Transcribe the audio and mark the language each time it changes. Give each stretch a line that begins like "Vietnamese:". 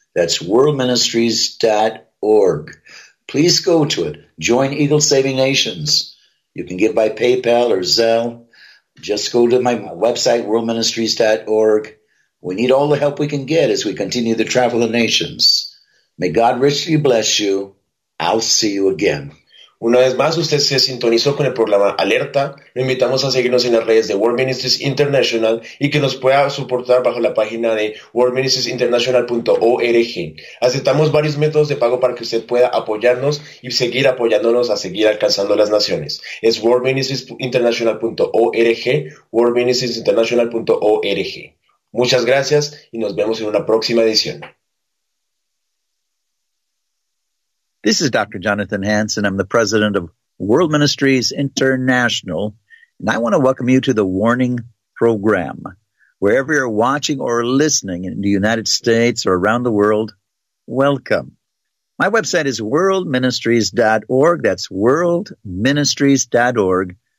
English: That's worldministries.org. Please go to it. Join Eagle Saving Nations. You can give by PayPal or Zelle. Just go to my website, worldministries.org. We need all the help we can get as we continue to travel the nations. May God richly bless you. I'll see you again.
Spanish: Una vez más, usted se sintonizó con el programa Alerta. Lo invitamos a seguirnos en las redes de World Ministries International y que nos pueda soportar bajo la página de worldministriesinternational.org. Aceptamos varios métodos de pago para que usted pueda apoyarnos y seguir apoyándonos a seguir alcanzando las naciones. Es worldministriesinternational.org, worldministriesinternational.org. Muchas gracias y nos vemos en una próxima edición.
English: This is Dr. Jonathan Hansen. I'm the president of World Ministries International, and I want to welcome you to the Warning Program. Wherever you're watching or listening in the United States or around the world, welcome. My website is worldministries.org. That's worldministries.org.